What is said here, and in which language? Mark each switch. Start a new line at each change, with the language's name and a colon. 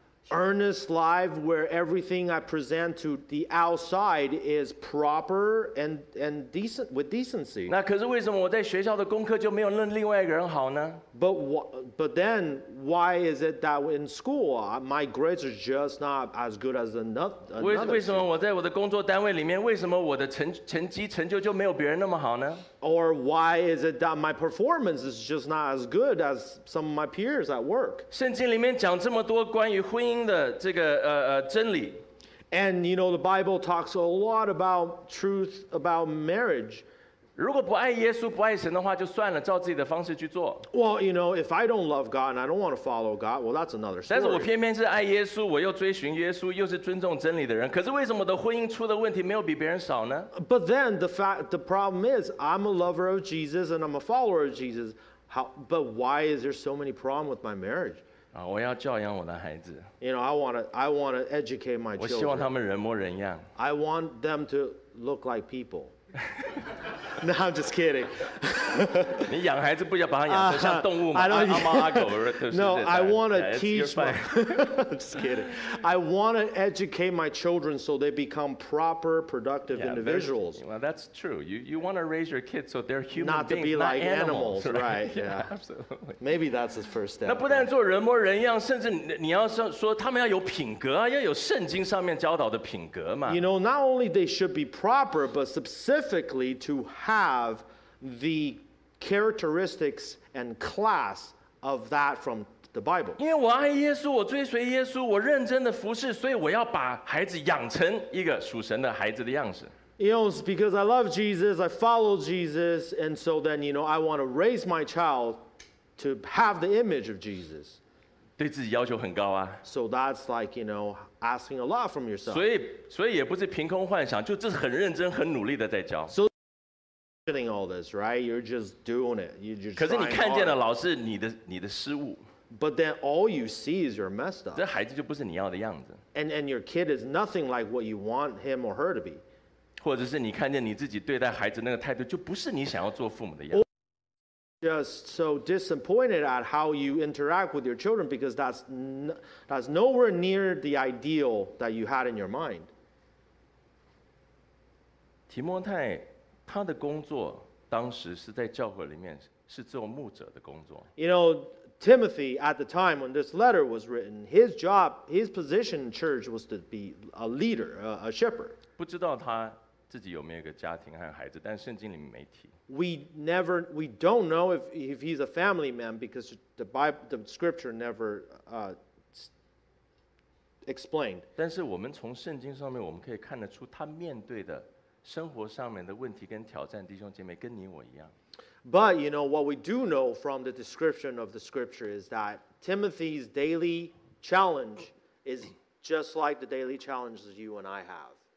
English: earnest life where everything I present to the outside is proper and decent with decency.
Chinese: 那可是为什么我在学校的功课就没有另外一个人好呢？
English: But then why is it that in school my grades are just not as good as another?
Chinese: 为什么我在我的工作单位里面，为什么我的成绩就没有别人那么好呢？
English: Or why is it that my performance is just not as good as some of my peers at work?
Chinese: 圣经里面讲这么多关于婚姻的这个真理，
English: and you know the Bible talks a lot about truth about marriage.
Chinese: 如果不爱耶稣不爱神的话就算了，照自己的方式去做。
English: Well, you know, if I don't love God and I don't want to follow God, well, that's another story.
Chinese: 但是我偏偏是爱耶稣，我又追寻耶稣，又是尊重真理的人。可是为什么我的婚姻出的问题没有比别人少呢？
English: But then the problem is, I'm a lover of Jesus and I'm a follower of Jesus. But why is there so many problems with my marriage?
Chinese: 我要教养我的孩子。
English: You know, I want to educate my children.
Chinese: 我希望他们人模人样。
English: I want them to look like people. No, I'm just kidding.
Chinese: 你养孩子不要把他养成像动物吗？阿猫阿狗。
English: No, I want to teach my. Just kidding. I want to educate my children so they become proper, productive individuals. Well, that's true. You want to raise your kids so they're human beings, not to be like animals, right? Yeah, absolutely. Maybe that's the first step.
Chinese: 那不但做人模人样，甚至你要说他们要有品格啊，要有圣经上面教导的品格嘛。
English: You know, not only they should be proper, but specifically to have. The characteristics and class of that from the Bible.
Chinese: 因为我爱耶稣，我追随耶稣，我认真的服侍，所以我要把孩子养成一个属神的孩子的样子。
English: You know, it's because I love Jesus, I follow Jesus, and so then, you know, I want to raise my child to have the image of Jesus.
Chinese: 对自己要求很高啊。
English: So that's like, you know, asking a lot from yourself.
Chinese: 所以也不是凭空幻想，就这是很认真、很努力的在教。
English: So,Doing all this, right? You're just doing it. You just.
Chinese: 可是你看见的老是你的失误。
English: But then all you see is your messed up.
Chinese: 这孩子就不是你要的样子。
English: And your kid is nothing like what you want him or her to be.
Chinese: 或者是你看见你自己对待孩子那个态度，就不是你想要做父母的样子。
English: Just so disappointed at how you interact with your children because that's nowhere near the ideal that you had in your mind.
Chinese: 提摩太。他的工作当时是在教会里面是做牧者的工作。
English: You know, Timothy at the time when this letter was written, his job, his position in church was to be a leader, a shepherd.
Chinese: 不知道他自己有没有一个家庭和孩子，但圣经里面没提。
English: We don't know if he's a family man because the Bible, the scripture never explained.
Chinese: 但是我们从圣经上面我们可以看得出他面对的。生活上面的问题跟挑战，弟兄姐妹跟你我一样。
English: But you know what we do know from the description of the scripture is that Timothy's daily challenge is just like the daily challenges you and I have.